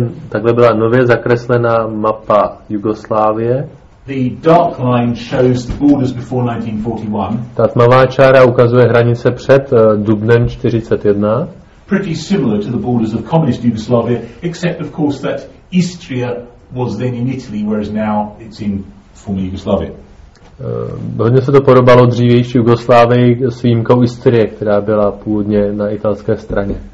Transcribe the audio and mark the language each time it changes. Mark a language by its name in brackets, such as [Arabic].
[Czech] Takhle byla nově zakreslená mapa Jugoslávie. [English] The dark line shows the borders before 1941. [Czech] Ta tmavá čára ukazuje hranice před dubnem 41. [English] Pretty similar to the borders of communist Yugoslavia, except of course that Istria was then in Italy, whereas now it's in former Yugoslavia. [Czech] Hodně se to podobalo dřívější Jugoslávii s výjimkou Istrie, která byla původně na italské straně.